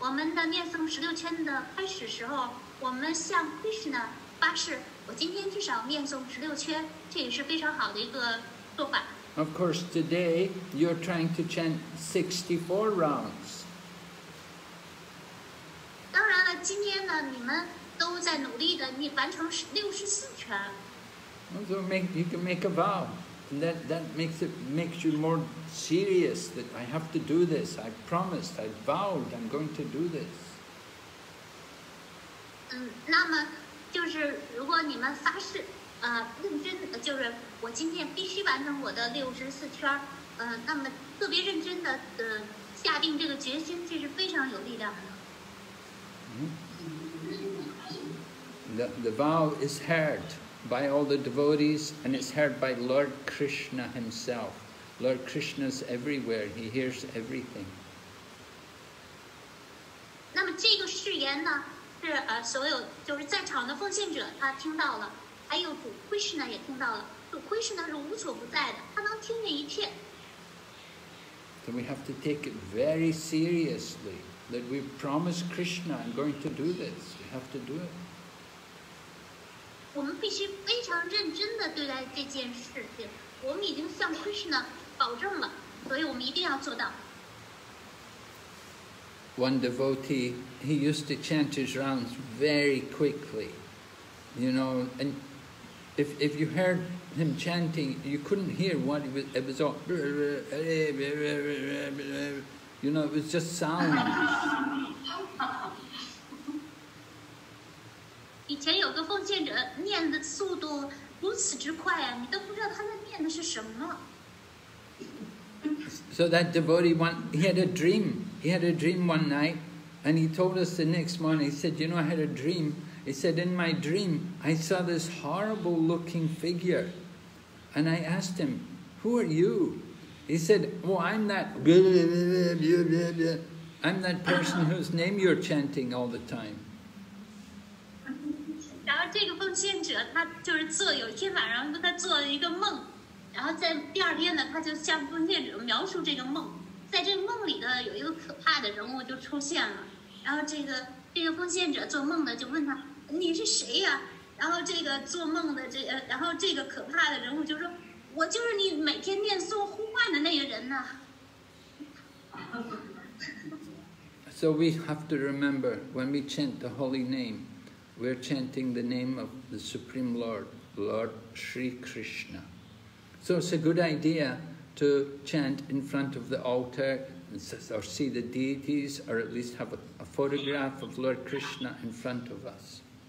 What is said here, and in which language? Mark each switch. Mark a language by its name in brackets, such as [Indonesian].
[Chinese] 我们的念诵十六圈的开始时候，我们向 Krishna 发誓，我今天至少念诵十六圈，这也是非常好的一个做法。 [English] Of course, today you're trying to chant 64 rounds. [Chinese] 当然了，今天呢，你们都在努力的，你完成64圈。 [English] So you can make a vow, and that makes you more serious that I have to do this. I promised, I vowed, I'm going to do this. [Chinese] 那么就是如果你们发誓，认真，就是我今天必须完成我的64圈，那么特别认真的，下定这个决心，这是非常有力量的。 [English] The vow is heard by all the devotees, and it's heard by Lord Krishna himself. Lord Krishna's everywhere, he hears everything. [Chinese] 那么这个誓言呢，是所有就是在场的奉献者他听到了，还有主 Krishna 也听到了，主 Krishna 是无所不在的，他能听见一切。 [English] So we have to take it very seriously that we promise Krishna I'm going to do this, we have to do it. [Chinese] 我们必须非常认真地对待这件事情，我们已经向 Krishna 保证了，所以我们一定要做到。 [English] One devotee, he used to chant his rounds very quickly, you know, and if you heard him chanting, you couldn't hear what he was, it was all, you know, it was just sounds. [Chinese] 以前有个奉献者念的速度如此之快啊，你都不知道他在念的是什么。 [English] So that devotee he had a dream. He had a dream one night, and he told us the next morning. He said, "You know, I had a dream." He said, "In my dream, I saw this horrible-looking figure, and I asked him, 'Who are you?'" He said, "Oh, I'm that. I'm that person whose name you're chanting all the time." [Chinese] 然后这个奉献者他就是做有一天晚上他做了一个梦，然后在第二天呢，他就向奉献者描述这个梦，在这个梦里的有一个可怕的人物就出现了，然后这个奉献者做梦的就问他，你是谁呀？然后这个做梦的然后这个可怕的人物就说，我就是你每天念诵呼唤的那个人呢。 [English] So we have to remember when we chant the holy nameWe're chanting the name of the Supreme Lord, Lord Sri Krishna. So it's a good idea to chant in front of the altar or see the deities or at least have a photograph of Lord Krishna in front of us.